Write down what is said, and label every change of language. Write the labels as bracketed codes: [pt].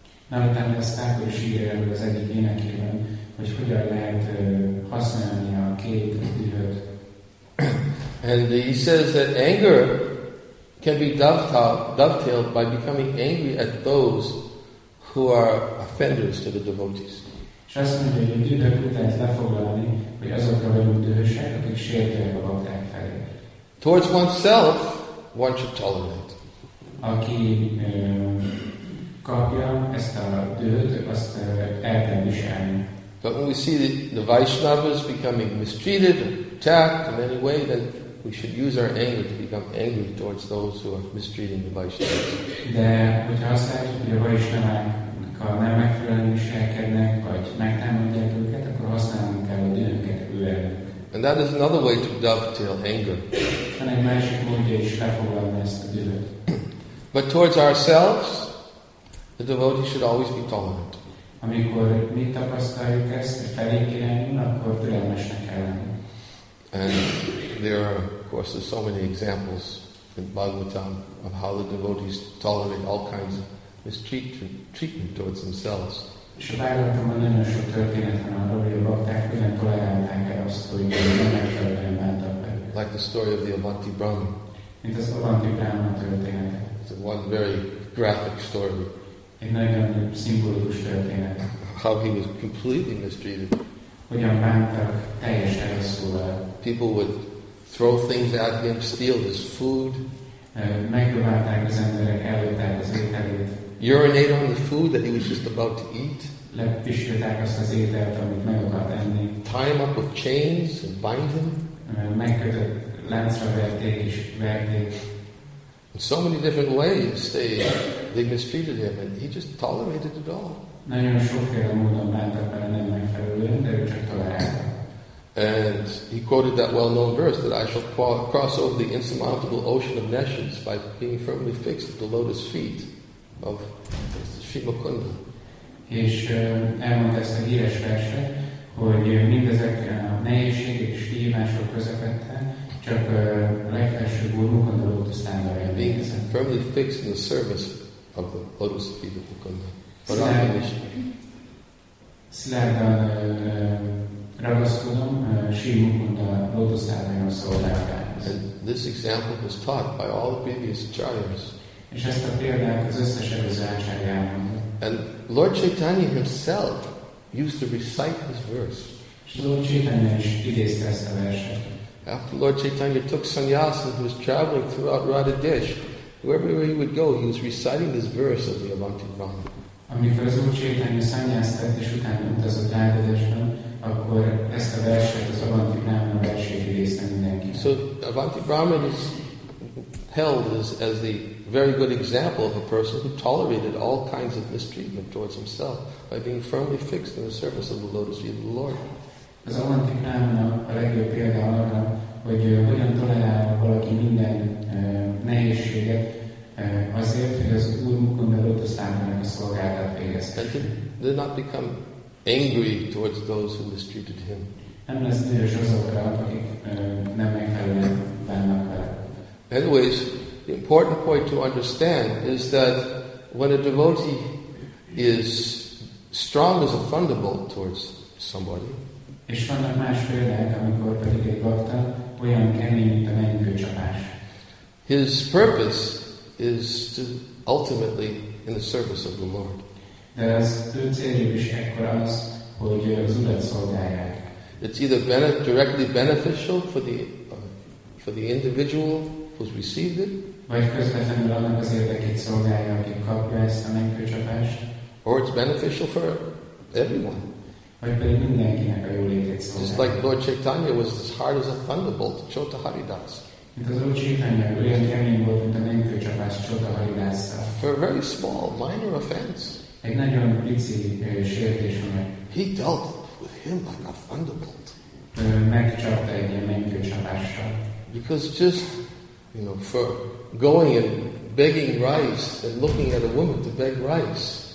[en] Now that I'm just talking about sheer and was any in a kingdom, which could have led Hasan and Yaqid. And he says that anger can be dovetailed by becoming angry at those who are offenders to the devotees. [hu] És azt mondja, hogy egy időt lehet lefoglalni, hogy azokra vagyunk dühösek, akik sértőek a bakták felé. [en] Towards oneself, one should tolerate. [hu] Aki kapja ezt a dühöt, azt el kell viselni. [en] But when we see the Vaishnavas becoming mistreated, attacked in any way, then we should use our anger to become angry towards those who are mistreating the Vaishnavas. [hu] De hogyha azt látjuk, hogy a Vaishnavákkal nem megfelelően viselkednek, vagy megtámadják őket, akkor használnunk kell a dühünket ő ellenük. [en] And that is another way to dovetail anger. [hu] Van egy másik módja is lefoglalni ezt a dühöt. [en] But towards ourselves, the devotee should always be tolerant. [hu] Amikor mi tapasztaljuk ezt, hogy felé kirányul, akkor türelmesnek kell lenni. [en] And there are, of course, there's so many examples in Bhagavatam of how the devotees tolerate all kinds of mistreatment towards themselves. [hu] És a Bhagavatamban nagyon sok történet van arról, hogy a bakták hogyan tolerálták el azt, hogy nem megfelelően bántak meg. [en] Like the story of the Avanti Brahma. [hu] Mint az Avanti Brahma története. [en] It's one very graphic story. [hu] Egy nagyon szimbolikus történet. [en] How he was completely mistreated. [hu] Hogyan bántak teljesen rosszul. [en] People would throw things at him, steal his food. [hu] Megpróbálták az emberek, elvitték az ételét. [en] Urinate on the food that he was just about to eat. [hu] Lepisgatták azt az ételt, amit meg akart enni. [en] Tie him up with chains and bind him. [hu] Megkötött láncra verték és verték. [en] In so many different ways they mistreated him, and he just tolerated it all. [hu] Nagyon sokféle módon bántak vele, nem megfelelően, de ő csak tolerálta. [en] And he quoted that well-known verse that I shall cross over the insurmountable ocean of nations by being firmly fixed at the lotus feet of Sri Mukunda. [hu] És elmondta ezt a híres verse, hogy mindezek a nehézségek és kihívások közepette, csak a legfelső gurúkon a lótuszánra elmondta. [en] Being firmly fixed in the service of the lotus feet of Mukunda. [hu] Szilárdan ragaszkodom, Sri Mukunda lótuszánra szolgálatához. [en] And this example was taught by all the previous acharyas. [hu] És ezt a példát az összes előző acharya elmondta. [en] And Lord Chaitanya himself used to recite this verse. [hu] Lord Chaitanya is idézte ezt a verset. [en] After Lord Chaitanya took sannyas and was traveling throughout Radha Desh, wherever he would go, he was reciting this verse of the Avanti Brahma. [hu] Amikor az Lord Chaitanya sannyas tett, és utána utazott Radha Deshben, akkor ezt a verset, az Avanti Brahma versét idézte mindenki. [en] So Avanti Brahma is held as the very good example of a person who tolerated all kinds of mistreatment towards himself by being firmly fixed in the service of the lotus feet of the Lord. [hu] Az Avanti Brahma a legjobb példa arra, hogy hogyan tolerál valaki minden nehézséget azért, hogy az Úr Mukunda lótuszának a szolgálatát végezte. [en] And did not become angry towards those who mistreated him. [hu] Nem lesz dühös azokra, akik nem megfelelően bánnak vele. [en] Anyways, the important point to understand is that when a devotee is strong as a thunderbolt towards somebody, [hu] és vannak más példák, amikor pedig egy bakta olyan kemény, mint a mennykőcsapás. [en] His purpose is to ultimately in the service of the Lord. [hu] De az ő céljuk is ekkor az, hogy az Urat szolgálják. [en] It's either directly beneficial for the individual who's received it, [hu] vagy közvetlenül annak az érdekét szolgálja, aki kapja ezt a mennykőcsapást. [en] Or it's beneficial for everyone. [hu] Vagy pedig mindenkinek a jólétét szolgálja. [en] Just like Lord Chaitanya was as hard as a thunderbolt to Chota Haridas. [hu] Mint az Lord Chaitanya olyan kemény volt, mint a mennykőcsapás Chota Haridasra. [en] For a very small, minor offense. [hu] Egy nagyon pici sértés van. [en] He dealt with him like a thunderbolt. [hu] Megcsapta egy ilyen mennykőcsapással. [en] Because just, you know, for going and begging rice and looking at a woman to beg rice.